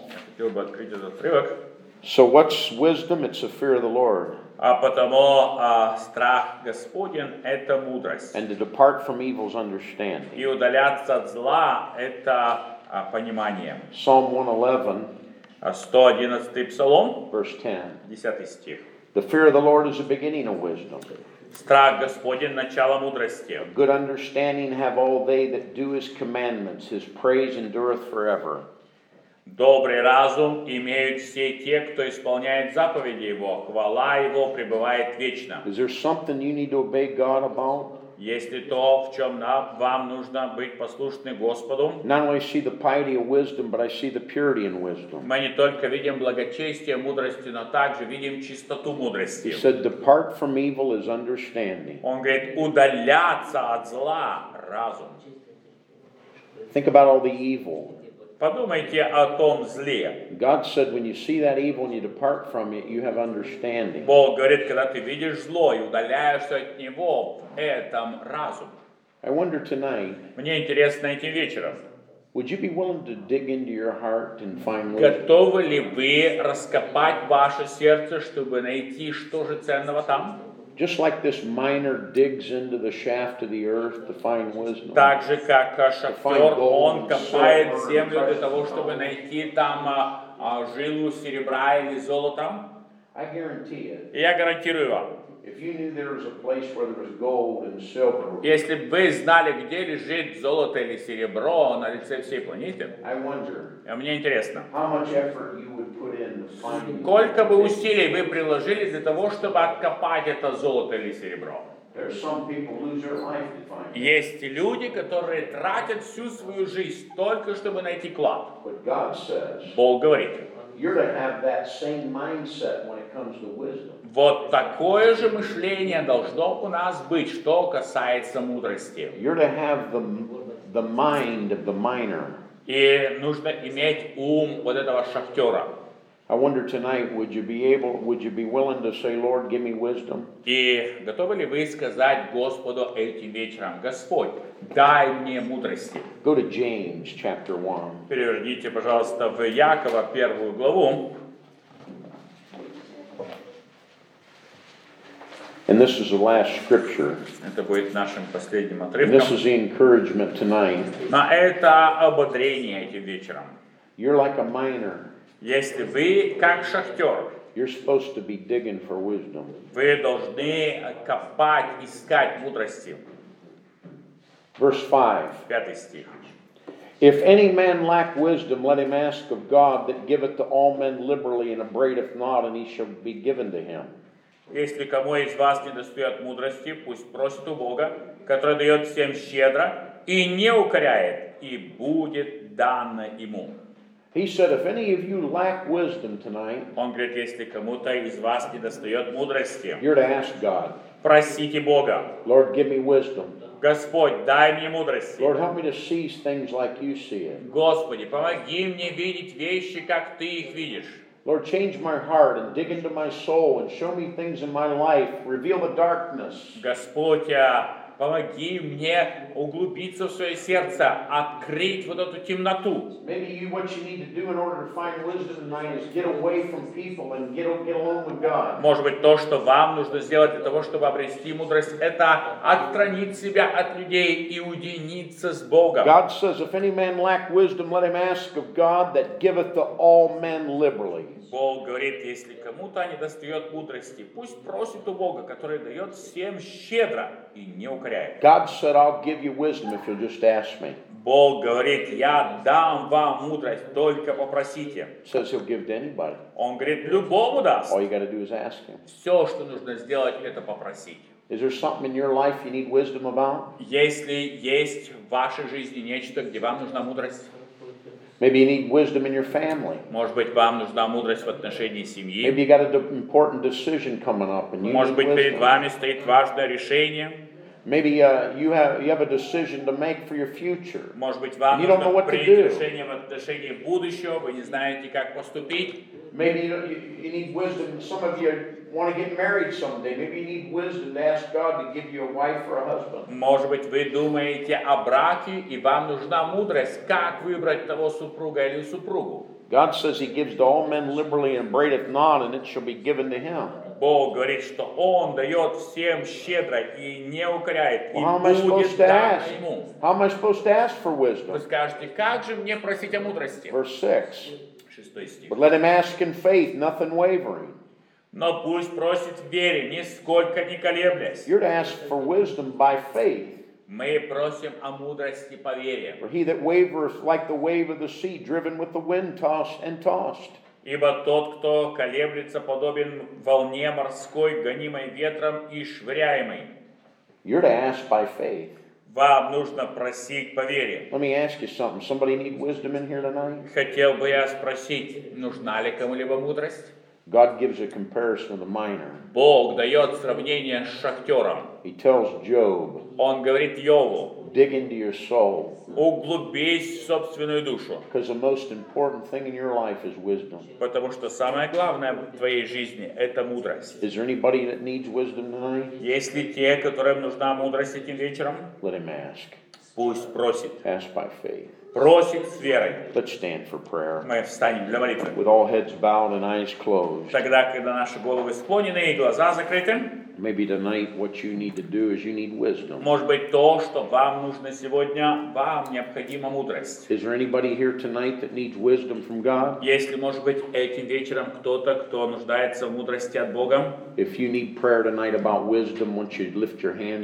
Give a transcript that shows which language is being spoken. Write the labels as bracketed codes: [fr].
[ru] Я хотел бы открыть этот отрывок. [en] So what's wisdom? It's the fear of the Lord. [ru] А потому страх Господень — это мудрость. [en] And to depart from evil's understanding. [ru] И удаляться от зла — это понимание. [en] Psalm 111, [ru] 111 псалом, [en] verse 10. [ru] 10 стих. [en] The fear of the Lord is the beginning of wisdom. [ru] Страх Господень — начало мудрости. [en] Good understanding have all they that do His commandments. His praise endureth forever. [ru] Добрый разум имеют все те, кто исполняет заповеди Его. Хвала Его пребывает вечно. [en] Is there something you need to obey God about? [ru] Есть ли то, в чем вам нужно быть послушны Господу? [en] Not only see the piety of wisdom, but I see the purity in wisdom. [ru] Мы не только видим благочестие мудрости, но также видим чистоту мудрости. [en] He said, depart from evil is understanding. [ru] Он говорит, удаляться от зла разум. [en] Think about all the evil. [ru] Подумайте о том зле. [en] God said, when you see that evil and you depart from it, you have understanding. [ru] Бог говорит, когда ты видишь зло и удаляешься от него, в этом разум. [en] I wonder tonight. [ru] Мне интересно этим вечером. [en] Would you be willing to dig into your heart and find wisdom? [ru] Готовы ли вы раскопать ваше сердце, чтобы найти, что же ценного там? [en] Just like this miner digs into the shaft of the earth to find wisdom. [ru] Так же как шахтёр, он копает землю для того, чтобы найти там жилу серебра или золота. [en] I guarantee it. [ru] Я гарантирую вам. [en] If you knew there was a place where there was gold and silver. [ru] Если бы вы знали, где лежит золото или серебро на лице всей планеты. [en] I wonder. [ru] А мне интересно. [en] How much effort you would put in to find it? [ru] Сколько бы усилий вы приложили для того, чтобы откопать это золото или серебро? [en] There's some people lose their life to find it. [ru] Есть люди, которые тратят всю свою жизнь только чтобы найти клад. [en] But God says. [ru] Бог говорит. [en] You're to have that same mindset when it comes to wisdom. [ru] Вот такое же мышление должно у нас быть, что касается мудрости. [en] You're to have the mind of the miner. [ru] И нужно иметь ум вот этого шахтера. [en] I wonder tonight, would you be willing to say, Lord, give me wisdom? [ru] И готовы ли вы сказать Господу этим вечером, Господь, дай мне мудрости? [en] Go to James chapter 1. [ru] Переверните, пожалуйста, в Якова первую главу. [en] And this is the last scripture. [ru] Это будет нашим последним отрывком. [en] This is the encouragement tonight. [ru] Но это ободрение этим вечером. [en] You're like a miner. [ru] Если вы как шахтер. [en] You're supposed to be digging for wisdom. [ru] Ви должны копать, искать мудрости. [en] Verse 5. [ru] Пятый стих. [en] If any man lack wisdom, let him ask of God that giveth to all men liberally and abradeth not, and he shall be given to him. [ru] Если кому из вас недостает мудрости, пусть просит у Бога, который дает всем щедро и не укоряет, и будет дано ему. [en] He said, if any of you lack wisdom tonight, [ru] он говорит, если кому-то из вас недостает мудрости, [en] you're to ask God. [ru] Просите Бога. [en] Lord, give me wisdom. [ru] Господь, дай мне мудрости. [en] Lord, help me to see things like you see it. [ru] Господи, помоги мне видеть вещи, как ты их видишь. [en] Lord, change my heart and dig into my soul and show me things in my life. Reveal the darkness. [ru] Господь, помоги мне углубиться в свое сердце, открыть вот эту темноту. [en] Maybe you, what you need to do in order to find wisdom tonight is get away from people and get alone with God. [ru] Может быть, то, что вам нужно сделать для того, чтобы обрести мудрость, это отстранить себя от людей и уединиться с Богом. [en] God says, if any man lack wisdom, let him ask of God that giveth to all men liberally. [ru] Бог говорит, если кому-то недостает мудрости, пусть просит у Бога, который дает всем щедро и не укоряет. [en] God said, I'll give you wisdom if you'll just ask me. [ru] Бог говорит, я дам вам мудрость, только попросите. [en] Says he'll give to anybody. [ru] Он говорит, любому даст. [en] All you gotta do is ask him. [ru] Все, что нужно сделать, это попросить. [en] Is there something in your life you need wisdom about? [ru] Если есть в вашей жизни нечто, где вам нужна мудрость. [en] Maybe you need wisdom in your family. [ru] Может быть, вам нужна мудрость в отношении семьи. [en] Maybe you got an important decision coming up, and you [ru] Может [en] need [ru] быть, [en] wisdom. [ru] Может быть, перед вами стоит важное решение. [en] Maybe you have a decision to make for your future. [ru] Может быть, вам [en] you don't [ru] нужно [en] know what [ru] принять [en] to do. [ru] Решение в отношении будущего. Вы не знаете, как поступить. [en] Maybe you need wisdom. Some of you want to get married someday. Maybe you need wisdom to ask God to give you a wife or a husband. [ru] Может быть, вы думаете о браке, и вам нужна мудрость, как выбрать того супруга или супругу. [en] God says he gives to all men liberally and abradeth not, and it shall be given to him. [ru] Бог говорит, что Он дает всем щедро и не укоряет, [en] well, [ru] и будет дано ему. [en] How am I supposed to ask for wisdom? [ru] Вы скажете, как же мне просить о мудрости? [en] Verse 6. But let him ask in faith, nothing wavering. [ru] Но пусть просит в вере, нисколько не колеблясь. [en] You're to ask for wisdom by faith. [ru] Мы просим о мудрости по вере. [en] For he that wavereth like the wave of the sea, driven with the wind, tossed and tossed. [ru] Ибо тот, кто колеблется, подобен волне морской, гонимой ветром и швыряемой. [en] You're to ask by faith. [ru] Вам нужно просить по вере. [en] Let me ask you something. Somebody need wisdom in here tonight? [ru] Хотел бы я спросить, нужна ли кому-либо мудрость? [en] God gives a comparison of the miner. [ru] Бог дает сравнение с шахтером. [en] He tells Job. [ru] Он говорит Йову. [en] Dig into your soul. [ru] Углубись в собственную душу. [en] Because the most important thing in your life is wisdom. [ru] Потому что самое главное в твоей жизни это мудрость. [en] Is there anybody that needs wisdom tonight? [ru] Есть ли те, которым нужна мудрость этим вечером? [en] Let him ask. [ru] Пусть просит. [en] Ask by faith. [ru] Просит с верой. [en] Let's stand for prayer. [ru] Мы встанем для молитвы. [en] With all heads bowed and eyes closed. [ru] Тогда, когда наши головы склонены и глаза закрыты. [en] Maybe tonight what you need to do is you need wisdom. [ru] Может быть, то, что вам нужно сегодня, вам необходима мудрость. [en] Is there anybody here tonight that needs wisdom from God? [ru] Если, может быть, этим вечером кто-то, кто нуждается в мудрости от Бога. [en] If you need prayer tonight about wisdom, won't you lift your hand?